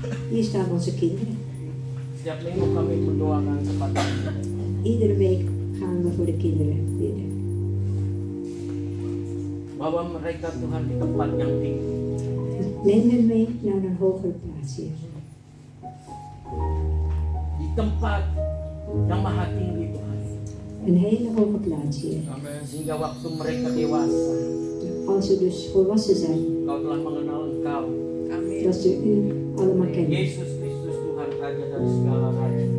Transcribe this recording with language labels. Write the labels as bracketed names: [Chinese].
[Indonesian] Setiap minggu kami mendoakan bahwa mereka, Tuhan, di tempat yang tinggi. [Dutch] Nemen mee naar een hoger plaats, Heer. [Indonesian] Di tempat yang maha tinggi, Tuhan. [Dutch] Een hele hoge plaats, Heer. [Indonesian] Sehingga waktu mereka dewasa. [Dutch] Als ze dus volwassen zijn. [Indonesian] Kau telah mengenal Engkau. [Dutch] Amin. Dat ze U allemaal kennen. [Indonesian] Yesus Christus, Tuhan Raja dari segala raja.